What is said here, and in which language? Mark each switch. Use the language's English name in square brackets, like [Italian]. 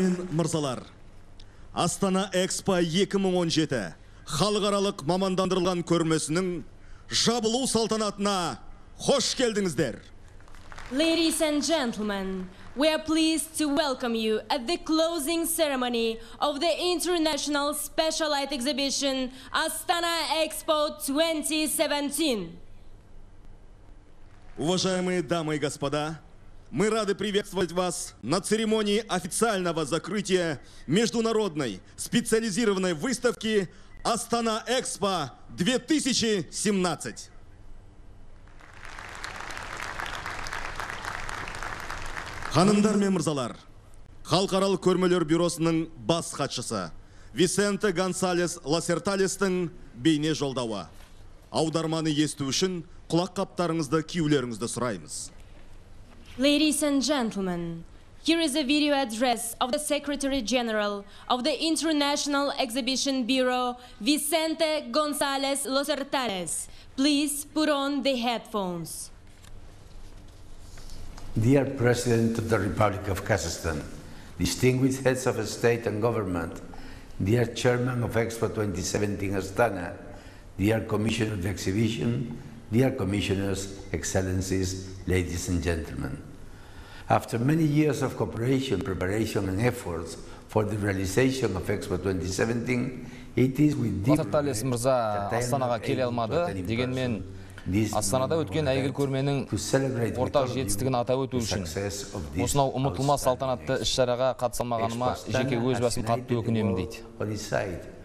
[Kazakh] Мырзалар, Астана Экспо 2017 халықаралық мамандандырылған көрмесінің жабылу салтанатына хош келдіңіздер. [English] Ladies and gentlemen, we are pleased to welcome you at the closing ceremony of the International Special Light Exhibition Astana Expo 2017. [Russian] Уважаемые дамы и господа, мы рады приветствовать вас на церемонии официального закрытия международной специализированной выставки «Астана Экспо 2017». [Kazakh] Ханымдар мен мырзалар, Халықаралық көрмелер бюросының бас хатшысы Висенте Гонсалес Лассерталестің бейне жолдауы. Аударманы есту үшін құлақ қаптарыңызды киюлеріңізді сұраймыз. [English] Ladies and gentlemen, here is a video address of the Secretary General of the International Exhibition Bureau, Vicente González Lossertales. Please put on the headphones. Dear President of the Republic of Kazakhstan, distinguished heads of state and government, dear Chairman of Expo 2017 Astana, dear Commissioner of the Exhibition, dear Commissioners, Excellencies, ladies and gentlemen. After many years of cooperation, preparation and efforts for the realization of Expo 2017, it is with deep regret that I am not able to attend in person. [Kazakh] Дегенмен, Астанада өткен әйгілі көрменің ортақ жетістігін атап өту үшін, осынау ұмытылмас салтанатты іс-шараға қатысалмағаныма жеке өз басым қатты өкінемін